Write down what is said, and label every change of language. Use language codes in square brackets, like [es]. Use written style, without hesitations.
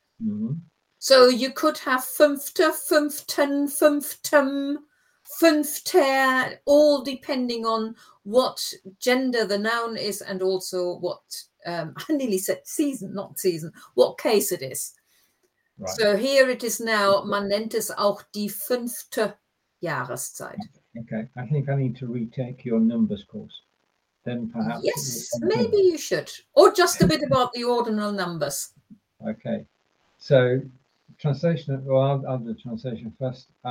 [en] Mm-hmm. So you could have fünfte, fünften, fünftem, fünfter, all depending on what gender the noun is and also what I nearly said season, not season, what case it is. Right. So here it is now, [de] man nennt es auch die 5. Jahreszeit. [en] Okay, I think I need to retake your numbers course. Then perhaps. Yes, maybe you should. Or just a bit about the ordinal numbers. Okay, so translation, I'll do the translation first.